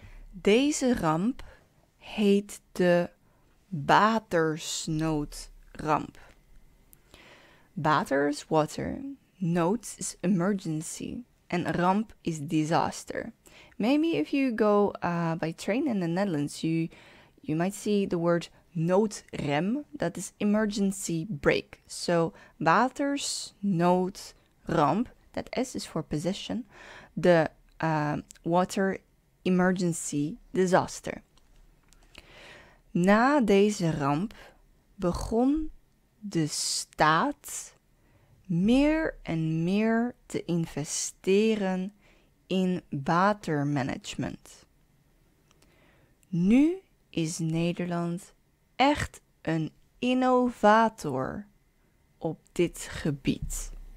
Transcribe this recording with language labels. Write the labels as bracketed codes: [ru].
[nl] Deze ramp heet de watersnoodramp. [en] Water is water, nood is emergency, and ramp is disaster. Maybe if you go by train in the Netherlands, you might see the word noodrem, that is emergency brake. So watersnoodramp, that S is for position, the water emergency disaster. [nl] Na deze ramp begon de staat meer en meer te investeren in watermanagement. Nu is Nederland echt een innovator op dit gebied.